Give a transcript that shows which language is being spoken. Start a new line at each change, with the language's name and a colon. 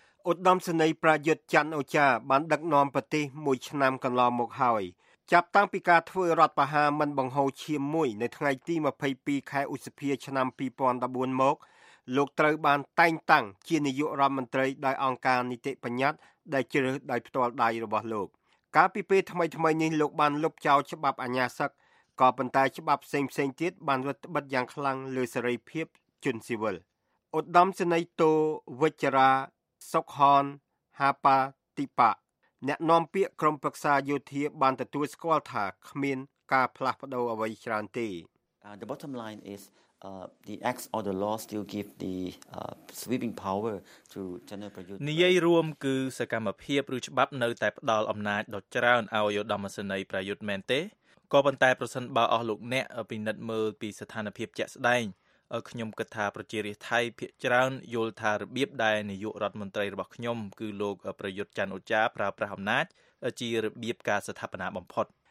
Khmer: ឧត្តមសេនីយ៍ប្រយុទ្ធច័ន្ទអូចាបានដឹកនាំប្រទេសមួយឆ្នាំកន្លងមកហើយចាប់តាំងពីការធ្វើរដ្ឋប្រហារមិនបង្ហូរឈាមមួយនៅថ្ងៃទី22ខែឧសភាឆ្នាំ2014មកលោកត្រូវបានតែងតាំងជានាយករដ្ឋមន្ត្រីដោយអង្គការនីតិបញ្ញត្តិដែលជ្រើសដោយផ្ទាល់ដៃរបស់លោកកាលពីពេលថ្មីៗនេះលោកបានលុបចោលច្បាប់អាញាសឹកក៏ប៉ុន្តែច្បាប់ផ្សេងៗទៀតបានរឹតបន្តឹងយ៉ាងខ្លាំងលើសេរីភាពជនស៊ីវិល ឧត្តមសេនីយ៍ទូវិជ្ជរាសុខហនហាប៉ាទីប៉ាអ្នកនាំពាក្យក្រុមប្រឹក្សាយោធាបានទទួលស្គាល់ថាគ្មានការផ្លាស់ប្ដូរអ្វីច្រើនទេ
English: The bottom line is the acts or the law still give the sweeping power to General Prayut
Khmer: នយោបាយរួមគឺសកម្មភាពឬច្បាប់នៅតែផ្ដល់អំណាចដល់ច្រើនឲ្យឧត្តមសេនីយ៍ប្រយុទ្ធមែនទេក៏ប៉ុន្តែប្រសិនបើអស់លោកអ្នកពិនិត្យមើលពីស្ថានភាពជាក់ស្ដែងខ្ញុំគិតថាប្រជារាស្ត្រថៃភាគច្រើនយល់ថារបៀបដែលនាយករដ្ឋមន្ត្រីរបស់ខ្ញុំគឺលោកប្រយុទ្ធច័ន្ទអូចាប្រើប្រាស់អំណាចជារបៀបការស្ថាបនាបំផុត